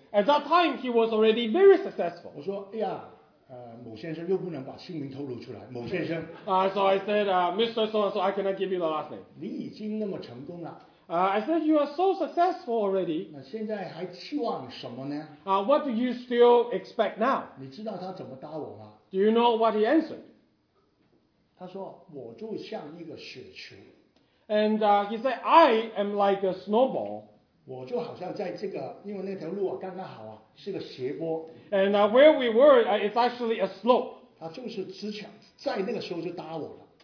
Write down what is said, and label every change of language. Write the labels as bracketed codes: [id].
[en] At that time, he was already very successful. [zh] 我说哎呀某先生又不能把姓名透露出来，某先生。 [en] So I said, Mr. So-and-so, I cannot give you the last name. [zh] 你已经那么成功了。 [en] I said, you are so successful already. [zh] 那现在还期望什么呢？ [en] What do you still expect now? [zh] 你知道他怎么答我吗？ [en] Do you know what he answered? [zh] 他说，我就像一个雪球。 [en] And he said, I am like a snowball. [zh] 我就好像在这个，因为那条路刚刚好啊。是个斜坡。 [en] And where we were, it's actually a slope. [zh] 他就是之前在那个时候就答我了。